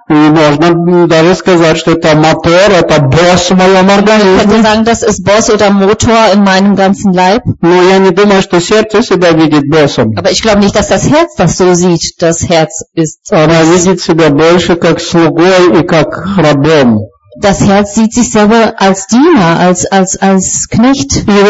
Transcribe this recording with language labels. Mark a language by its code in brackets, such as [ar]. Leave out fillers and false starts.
[ru] И можно даже сказать, что это мотор, это босс в моем организме. [de] Ich könnte sagen, das ist Boss oder Motor in meinem ganzen Leib. [ru] Но я не думаю, что сердце себя видит боссом. [de] Aber ich glaube nicht, dass das Herz das so sieht. Das Herz ist. [ru] Она видит себя больше как слугой и как рабом. [de] Das Herz sieht sich selber als Diener, als Knecht.